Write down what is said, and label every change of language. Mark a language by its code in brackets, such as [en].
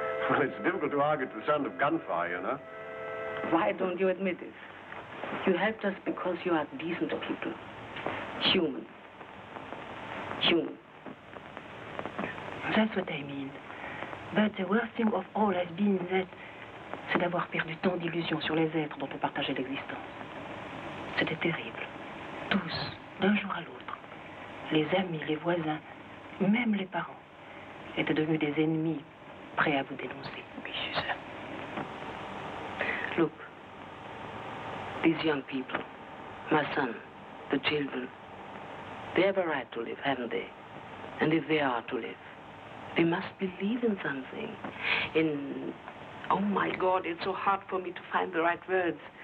[en] Well, it's difficult to argue to the sound of gunfire, you know. Why don't you admit it? You helped us because you are decent people. Human. Human. That's what I mean. But the worst thing of all has been that... [fr] c'est d'avoir perdu tant d'illusions sur les êtres dont on partageait l'existence. C'était terrible. Tous, d'un jour à l'autre, les amis, les voisins, même les parents, étaient devenus des ennemis prêts à vous dénoncer. Oui, c'est ça. [en] Look. These young people, my son, the children, they have a right to live, haven't they? And if they are to live, we must believe in something. In... oh, my God, it's so hard for me to find the right words.